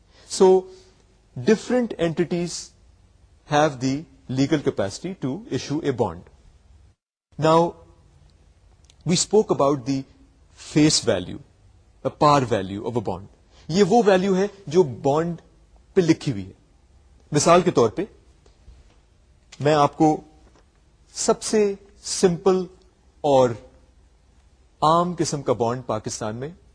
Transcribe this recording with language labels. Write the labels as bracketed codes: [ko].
[en] So different entities have the legal capacity to issue a bond. Now we spoke about the face value, par value of a bond. [ur] یہ وہ value ہے جو bond پہ لکھی ہوئی ہے. مثال کے طور پہ میں آپ کو سب سے سمپل اور عام قسم کا بانڈ پاکستان میں